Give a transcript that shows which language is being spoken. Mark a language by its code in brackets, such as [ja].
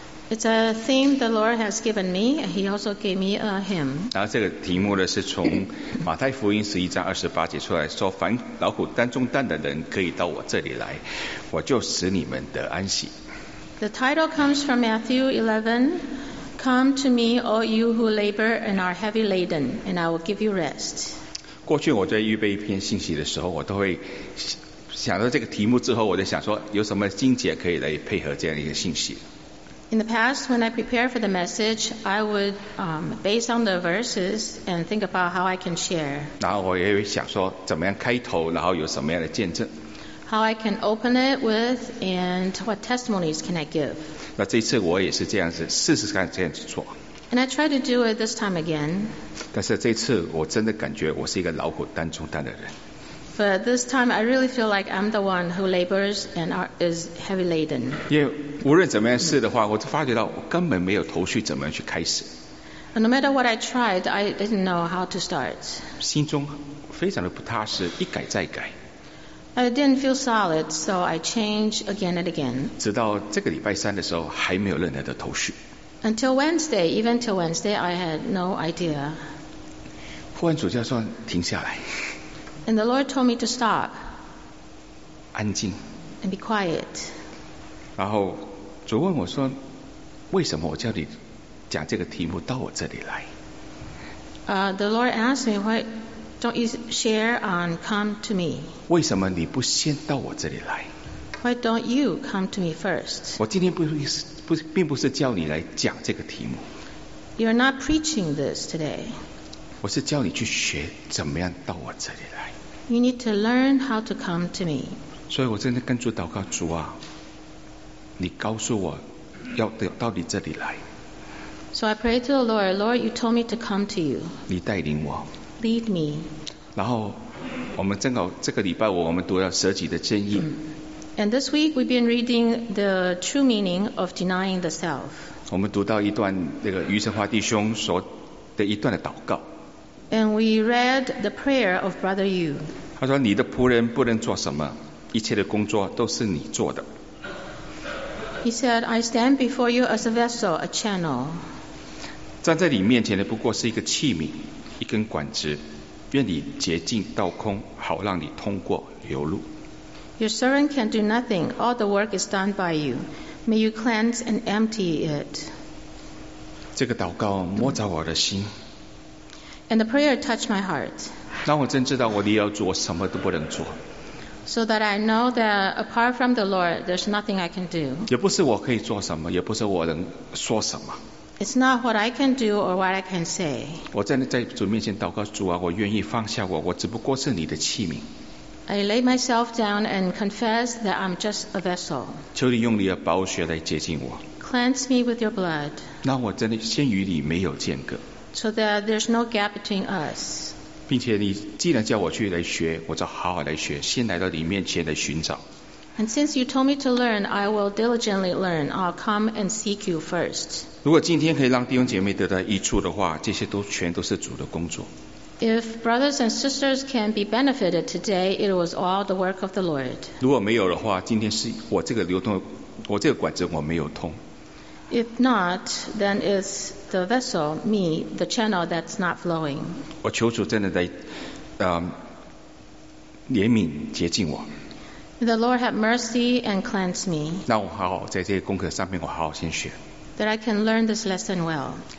[en] It's a theme the Lord has given me. He also gave me a hymn. [zh] 然后这个题目呢是从马太福音11:28出来，说凡劳苦担重担的人可以到我这里来，我就使你们得安息。 [en] The title comes from Matthew 11. Come to me, all you who labor and are heavy laden, and I will give you rest. [zh] 过去我在预备一篇信息的时候，我都会想到这个题目之后，我就想说有什么经节可以来配合这样一个信息。 [en] In the past, when I prepare for the message, I would base on the verses and think about how I can share. [zh] 然后我也会想说怎么样开头，然后有什么样的见证。 [en] How I can open it with and what testimonies can I give? [zh] 那这次我也是这样子，试试看这样子做。 [en] And I try to do it this time again. [zh] 但是这次我真的感觉我是一个劳苦担重担的人。 [en] But this time I really feel like I'm the one who labors and is heavy laden. [zh] 因为无论怎么样试的话，我就发觉到我根本没有头绪怎么样去开始。 [en] And no matter what I tried, I didn't know how to start. [zh] 心中非常的不踏实，一改再改。 [en] I didn't feel solid, so I changed again and again. [zh] 直到这个礼拜三的时候，还没有任何的头绪。 [en] Until Wednesday, even till Wednesday, I had no idea. [zh] 忽然主教说停下来。 [en] And the Lord told me to stop. [zh] 安静。 [en] And be quiet. [zh] 然后主问我说，为什么我叫你讲这个题目到我这里来？ [en] The Lord asked me why. Don't you share on come to me? [zh] 为什么你不先到我这里来？ [en] Why don't you come to me first? [zh] 我今天并不是叫你来讲这个题目。 [en] You're not preaching this today. [zh] 我是叫你去学怎么样到我这里来。 [en] You need to learn how to come to me. [zh] 所以我真的跟主祷告，主啊，你告诉我要到你这里来。 [en] So I pray to the Lord, Lord, you told me to come to you. [zh] 你带领我。 [en] Lead me. [zh] 然后我们正好这个礼拜我们读了舍己的真意。 [en] And this week we've been reading the true meaning of denying the self. [zh] 我们读到一段那个余成华弟兄所的一段的祷告。 [en] And we read the prayer of Brother Yu. [zh] 他说你的仆人不能做什么，一切的工作都是你做的。 [en] He said, I stand before you as a vessel, a channel. [zh] 站在你面前的不过是一个器皿。一根管子，愿你洁净倒空，好让你通过流露。 [en] Your servant can do nothing; all the work is done by you. May you cleanse and empty it. [zh] 这个祷告摸着我的心。 [en] And the prayer touched my heart. [zh] 让我真知道我离了主，我什么都不能做。 [en] So that I know that apart from the Lord, there's nothing I can do. [zh] 也不是我可以做什么，也不是我能说什么。 [en] It's not what I can do or what I can say. [zh] 我在主面前祷告，主啊，我愿意放下我，我只不过是你的器皿。 [en] I lay myself down and confess that I'm just a vessel. [zh] 求你用你的宝血来洁净我。 [en] Cleanse me with your blood. [zh] 让我真的先与你没有间隔。 [en] So that there's no gap between us. [zh] 并且你既然叫我去来学，我就好好来学，先来到你面前来寻找。 [en] And since you told me to learn, I will diligently learn. I'll come and seek you first. [zh] 如果今天可以让弟兄姐妹得到益处的话，这些都全都是主的工作。 [en] If brothers and sisters can be benefited today, it was all the work of the Lord. [zh] 如果没有的话，今天是我这个流通，我这个管子我没有通。 [en] If not, then it's the vessel, me, the channel that's not flowing. [zh] 我求主真的来，怜悯洁净我。 [en] The Lord have mercy and cleanse me. [zh] 那我好好在这些功课上面，我好好先学。 [en] That I can learn this lesson well.